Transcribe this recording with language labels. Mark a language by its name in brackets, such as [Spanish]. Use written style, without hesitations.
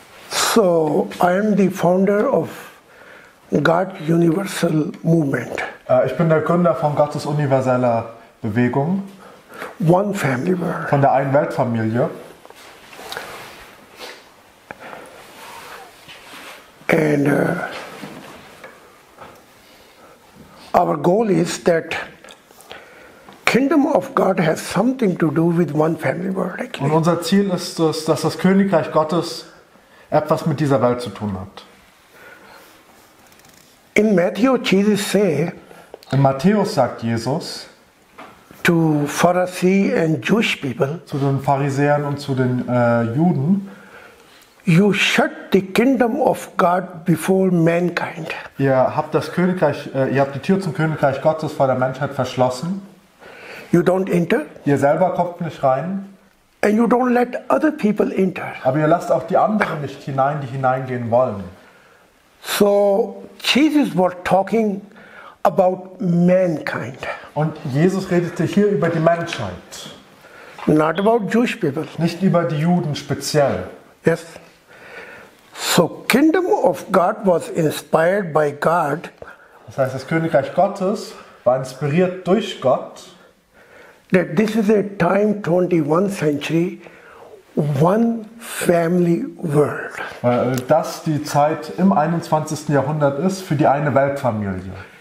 [English] So I am the founder of God Universal Movement. [German] Ich bin der Gründer von Gottes universeller Bewegung. [English] One family world. [German] Von der einen Weltfamilie. [English] And our goal is that Kingdom of God has something to do with one family world. Actually. [German] Und unser Ziel ist es, dass das Königreich Gottes etwas mit dieser Welt zu tun hat. [English] In Matthew, Jesus say. [German] In Matthäus sagt Jesus. [English] To Pharisee and Jewish people. [German] Zu den Pharisäern und zu den Juden. [English] You shut the kingdom of God before mankind. [German] Ihr habt das Königreich, ihr habt die Tür zum Königreich Gottes vor der Menschheit verschlossen. [English] You don't enter. [German] Ihr selber kommt nicht rein. [English] And you don't let other people enter. [German] Aber ihr lasst auch die anderen nicht hinein, die hineingehen wollen. [English] So Jesus was talking about mankind. [German] Und Jesus redete hier über die Menschheit. [English] Not about Jewish people. [German] Nicht über die Juden speziell. [English] Yes. So Kingdom of God was inspired by God. [German] Das heißt, das Königreich Gottes war inspiriert durch Gott. [English] That this is a time 21 century one family world. [German] Weil das die Zeit im 21. Jahrhundert ist für die eine Weltfamilie.